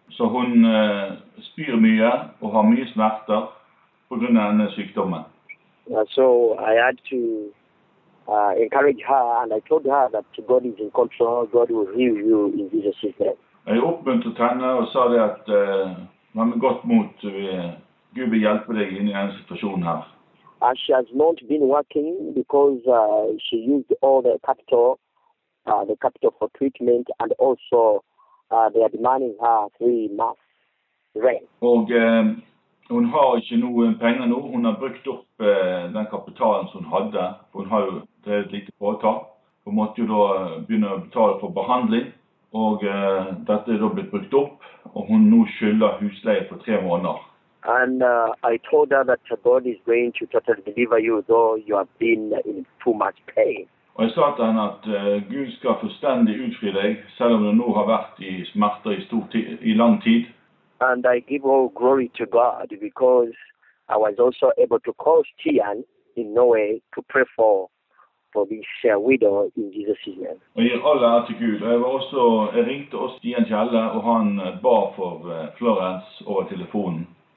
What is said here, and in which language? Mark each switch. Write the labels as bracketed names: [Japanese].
[Norwegian] Så hun spyr mye og har mye smerter på grunn av denne sykdommen. [English] So I had to encourage her and I told her that God is in control, God will heal you in Jesus' name. [Norwegian] Jeg oppmuntret henne og sa det at vær med godt mot, Gud vil hjelpe deg inn i denne situasjonen her. [English] And she has not been working because she used all the capital for treatment and also they are demanding her 3 months rent. [Norwegian] Og hun har ikke noen penger nå. Hun har brukt opp den kapitalen som hun hadde. Hun har jo drevet lite foretak. Hun måtte jo da begynne å betale for behandling. Og dette er da blitt brukt opp, og hun nå skylder husleie for 3 måneder. [English] And I told her that God is going to totally deliver you, though you have been in too much pain. [Norwegian] Og jeg sa til henne at Gud skal fullstendig utfri deg, selv om du nå har vært i smerter i lang tid. [English] And I give all glory to God, because I was also able to call Stian in Norway to pray for this widow in Jesus' name. [Norwegian] Og gir all ære til Gud. Og jeg ringte også Stian Kjelle, og han ba for Florence over telefonen.